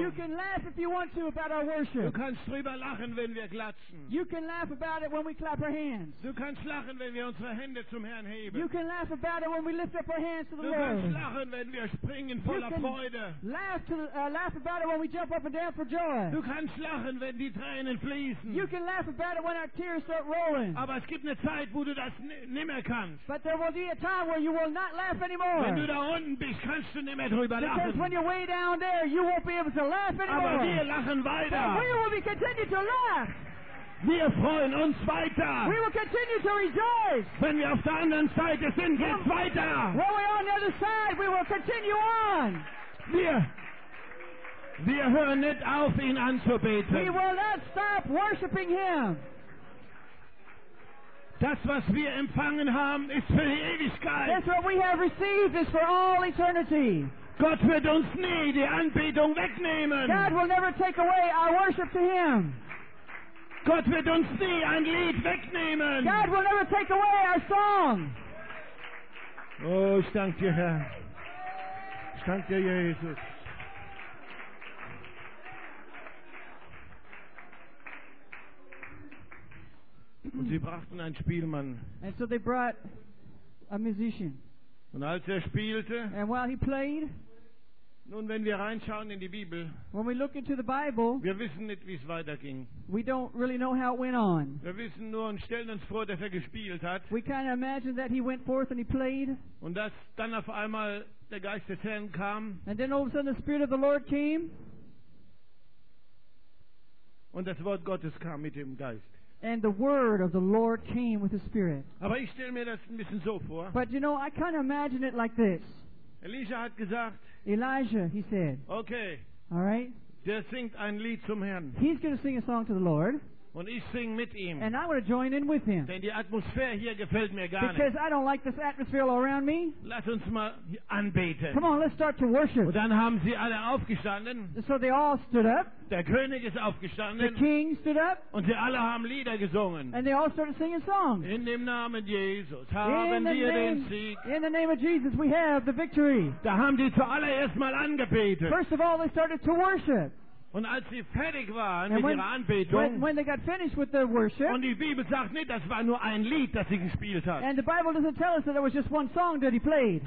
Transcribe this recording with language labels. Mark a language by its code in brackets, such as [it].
[en] You can laugh if you want to about our worship. [de] Du kannst drüber lachen, wenn wir klatschen. [en] You can laugh about it when we clap our hands. [de] Du kannst lachen, wenn wir unsere Hände zum Herrn heben. [en] You can laugh about it when we lift up our hands to the Lord. [de] Du kannst lachen, wenn wir springen voller [en] you can [de] Freude. [en] Laugh about it when we jump up and down for joy. [de] Du kannst lachen, wenn die Tränen fließen. [en] You can laugh about it when our tears start rolling. [de] Aber es gibt eine Zeit, wo du das nicht mehr kannst. [en] But there will be a time where you will not laugh anymore. [de] Wenn du da unten bist, kannst du nicht mehr drüber lachen. [en] When you're way down there, you won't be able to laugh anymore. [de] Aber wir lachen weiter. [en] But we will continue to laugh. [de] Wir freuen uns weiter. [en] We will continue to rejoice. [de] Wenn wir auf der anderen Seite sind, geht's weiter. [en] When we're on the other side, we will continue on. [de] Wir hören nicht auf, ihn anzubeten. [en] We will not stop worshiping him. [de] Das, was wir empfangen haben, ist für die Ewigkeit. [en] That's what we have received is for all eternity. [de] Gott wird uns nie die Anbetung wegnehmen. [en] God will never take away our worship to him. [de] Gott wird uns nie ein Lied wegnehmen. [en] God will never take away our song. [de] Oh, ich danke dir, Herr. Ich danke dir, Jesus. Und sie brachten einen Spielmann. [en] And so they brought a musician. [de] Und als er spielte, [en] and while he played, [de] nun, wenn wir reinschauen in die Bibel, [en] when we look into the Bible, [de] wir wissen nicht, wie es weiterging. [en] We don't really know how it went on. [de] Wir wissen nur und stellen uns vor, dass er gespielt hat. [en] We kind of imagine that he went forth and he played. [de] Und dass dann auf einmal der Geist des Herrn kam. [en] And then all of a sudden the Spirit of the Lord came. [de] Und das Wort Gottes kam mit dem Geist. [en] And the word of the Lord came with the Spirit. [de] Aber ich stelle mir das ein bisschen so vor. [en] But you know, I kind of imagine it like this. [de] Elisha hat gesagt, [en] Elijah, he said, okay, all right, [de] der singt ein Lied zum Herrn. [en] He's going to sing a song to the Lord, [de] und ich sing mit ihm. [en] And I'm going to join in with him. [de] Denn die Atmosphäre hier gefällt mir gar [en] because [de] nicht. [en] I don't like this atmosphere all around me. [de] Lass uns mal anbeten. [en] Come on, let's start to worship. [de] Und dann haben sie alle aufgestanden. [en] So they all stood up. [de] Der König ist aufgestanden. [en] The king stood up. [de] Und sie alle haben Lieder gesungen. [en] And they all started singing songs. [de] In dem Namen Jesus haben wir den Sieg. [en] In the name of Jesus we have the victory. [de] Da haben die zuallererst mal angebetet. [en] First of all, they started to worship. [de] Und als sie fertig waren mit ihrer Anbetung, [en] when they got finished with their worship, [de] und die Bibel sagt nicht, das war nur ein Lied, das sie gespielt hat. [en] And the Bible doesn't tell us that it was just one song that he played.